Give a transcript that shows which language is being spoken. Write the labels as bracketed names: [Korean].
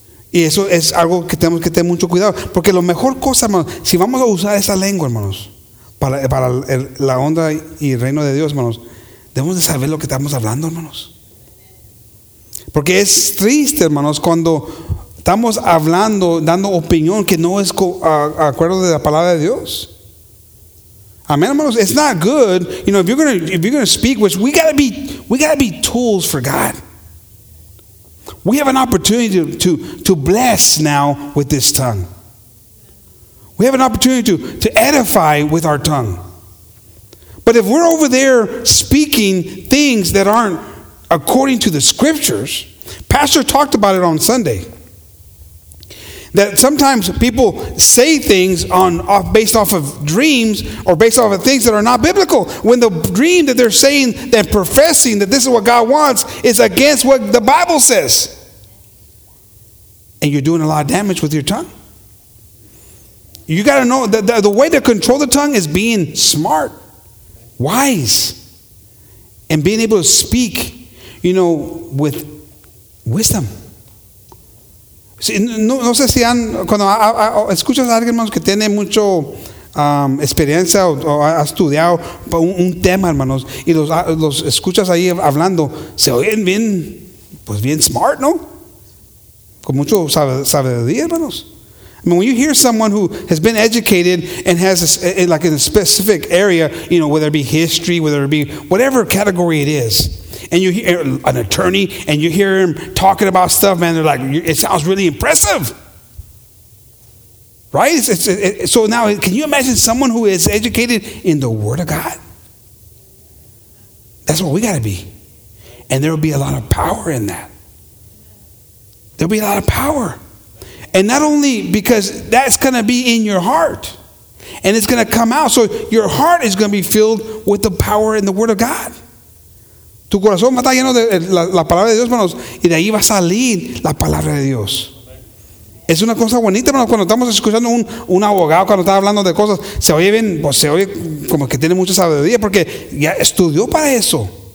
[Spanish] Y eso es algo que tenemos que tener mucho cuidado. Porque lo mejor cosa, hermanos, si vamos a usar esa lengua, hermanos, para la honra y el reino de Dios, hermanos, debemos de saber lo que estamos hablando, hermanos. Porque es triste, hermanos, cuando estamos hablando, dando opinión que no es acuerdo de la palabra de Dios. Amén, hermanos. [English] It's not good. You know, if you're gonna speak, which we gotta be tools for God. We have an opportunity to bless now with this tongue. We have an opportunity to edify with our tongue. But if we're over there speaking things that aren't according to the scriptures, Pastor talked about it on Sunday. That sometimes people say things based off of dreams or based off of things that are not biblical. When the dream that they're saying, that professing that this is what God wants, is against what the Bible says. And you're doing a lot of damage with your tongue. You got to know that the way to control the tongue is being smart, wise, and being able to speak, you know, with wisdom. [Spanish] No sé si han, cuando escuchas a alguien, hermanos, que tiene mucho experiencia o ha estudiado un tema, hermanos, y los escuchas ahí hablando, se oyen bien, pues bien smart, ¿no? Con mucho sabiduría, hermanos. [English] I mean, when you hear someone who has been educated and has in a specific area, you know, whether it be history, whether it be whatever category it is, and you hear an attorney, and you hear him talking about stuff, man, they're like, it sounds really impressive. Right? So now, can you imagine someone who is educated in the Word of God? That's what we got to be. And there will be a lot of power in that. There will be a lot of power. And not only because that's going to be in your heart. And it's going to come out. So your heart is going to be filled with the power in the Word of God. [Spanish] Tu corazón está lleno de la palabra de Dios, hermanos, y de ahí va a salir la palabra de Dios. Es una cosa bonita, hermanos, cuando estamos escuchando un abogado, cuando está hablando de cosas, se oye bien, pues se oye como que tiene mucha sabiduría, porque ya estudió para eso.